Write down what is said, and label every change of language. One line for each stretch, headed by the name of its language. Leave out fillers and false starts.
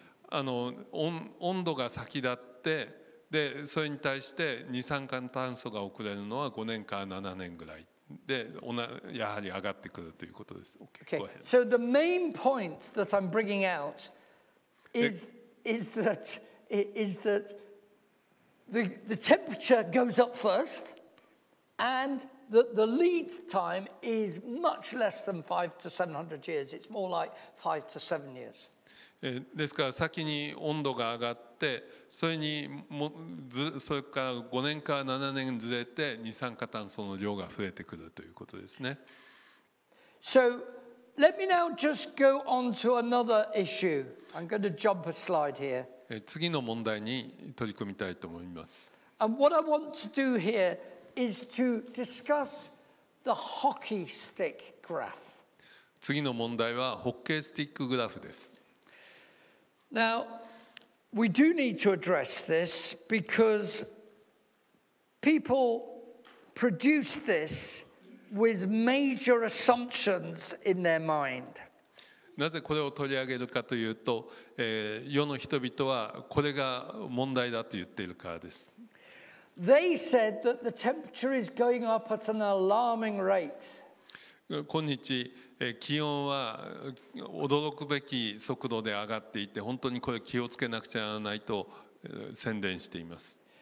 Japanese: あの温度が先立って、でそれに対して二酸化炭素が送れるのは5年から7年ぐらいでやはり上がってくるということです。
English: Okay. So the main point that I'm bringing out is that the temperature goes up first and that the lead time is much less than 500 to 700 years. It's more like 5 to 7 years.
Japanese: ですから先に温度が上がって、それにもずそれから5年から7年ずれて二酸化炭素の量が増えてくるということですね。
English: So let me now just go on to another issue. I'm going to jump a slide here.
Japanese: 次の問題に取り組みたいと思います。
English: And what I want to do here is to discuss the hockey stick graph.
Japanese: 次の問題はホッケースティックグラフです。
English: Now, we do need to address this because people produce this with major assumptions in their mind.
Japanese: なぜこれを取り上げるかというと、世の人々はこれが問題だと言っているからです。
English: They said that the temperature is going up at an alarming rate.
Japanese: 今日気温は驚くべき速度で上がっていて、本当にこれ気をつけなくちゃならないと宣伝しています。